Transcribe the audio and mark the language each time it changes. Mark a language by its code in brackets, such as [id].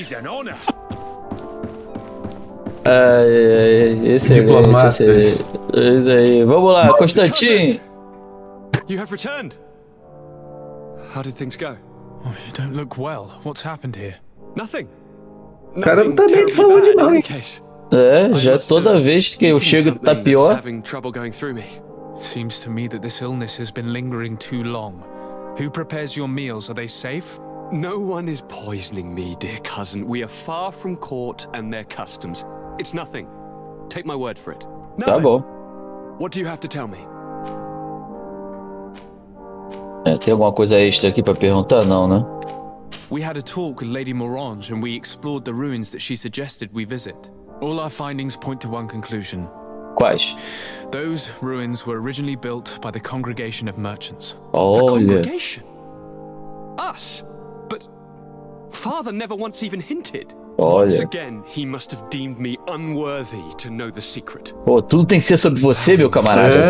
[pt] Esse aí. Vamos lá, Constantinho. [en] You have returned. How did things go? Oh, you don't look well. What's happened here? Nothing. [pt] O cara não tá bem de saúde, não, hein? É, já toda vez que eu chego tá pior. [en] Having trouble going through me. Seems to me that this illness has been lingering too long. Who prepares your meals? Are they safe? No one is poisoning me, dear cousin. We are far from court and their customs. It's nothing. Take my word for it. [pt] Tá bom. [en] What do you have to tell me? [pt] É, tem alguma coisa extra aqui pra perguntar? Não, né? [en] We had a talk with Lady Morange and we explored the ruins that she suggested we visit. All our findings point to one conclusion. [pt] Quais? [en] Those ruins were originally built by the Congregation of Merchants. [pt] Olha. [en] The Congregation? Us? But Father never once even hinted. [pt] Olha. [en] Once again, he must have deemed me unworthy to know the secret. [pt] Pô, tudo tem que ser sobre você, meu camarada.